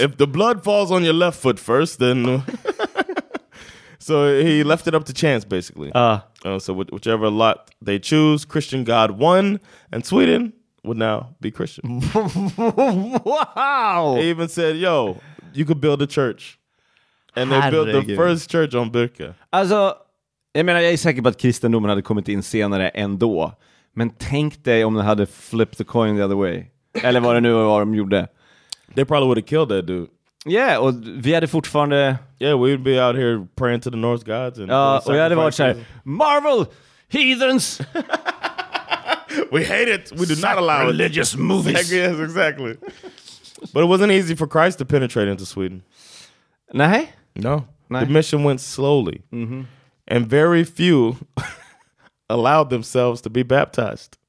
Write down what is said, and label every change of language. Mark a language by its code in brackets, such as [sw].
[en] If the blood falls on your left foot first, then... So he left it up to chance, basically. So whichever lot they choose, Christian God won, and Sweden would now be Christian. Wow! He even said, yo, you could build a church. And they built the first church on Birka. [sv] Alltså, jag menar, jag är säker på att kristendomen hade kommit in senare ändå. Men tänk dig om de hade [en] flipped the coin the other way. [sv] Eller vad det nu var de gjorde. [en] They probably would have killed that dude. [sv] Yeah, och vi hade fortfarande... [en] Yeah, we'd be out here praying to the Norse gods. [sv] Ja, och vi hade varit såhär, Marvel, heathens! [en] We hate it, we do not allow it. Religious movies. Yes, exactly. But it wasn't easy for Christ to penetrate into Sweden. [sv] Nej? [en] No. Nej. The mission went slowly. Mm-hmm. And very few allowed themselves to be baptized.